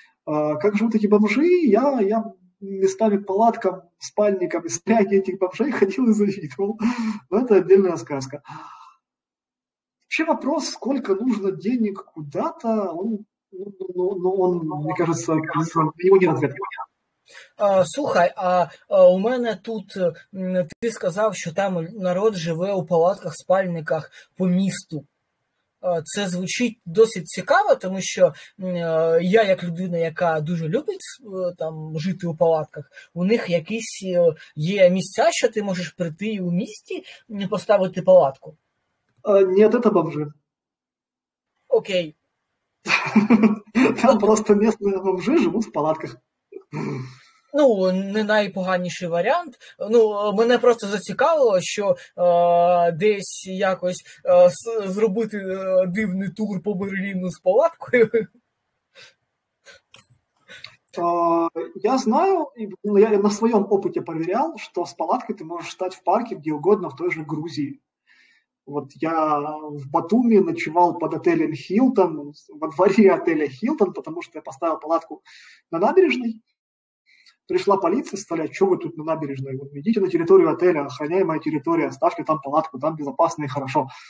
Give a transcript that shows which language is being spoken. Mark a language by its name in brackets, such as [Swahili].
[Russian] Как живут эти бомжи? Я местами палаткам, спальникам, спальни этих бомжей ходил и завидовал. Но это отдельная сказка. Вообще вопрос, сколько нужно денег куда-то, он, мне кажется, его не ответил. [Ukrainian] Слухай, а у мене тут, ти сказав, що там народ живе у палатках-спальниках по місту. Це звучить досить цікаво, тому що я, як людина, яка дуже любить там жити у палатках, у них якісь є місця, що ти можеш прийти у місті і поставити палатку. Ні, це бомжи. Окей. Там просто місце бомжи живуть в палатках. Ну, не найпоганіший варіант. Ну, мене просто зацікавило, що десь якось зробити дивний тур по Берліну з палаткою. Я знаю, я на своєму опиті перевіряв, що з палаткою ти можеш стати в парку, де угодно, в той же Грузії. Вот я в Батумі ночував під отелем Хілтон, во дворі отеля Хілтон, тому що я поставив палатку на набережній. [Russian] Пришла полиция, сказали: а что вы тут на набережной? Идите на территорию отеля, охраняемая территория, ставьте там палатку, там безопасно и хорошо.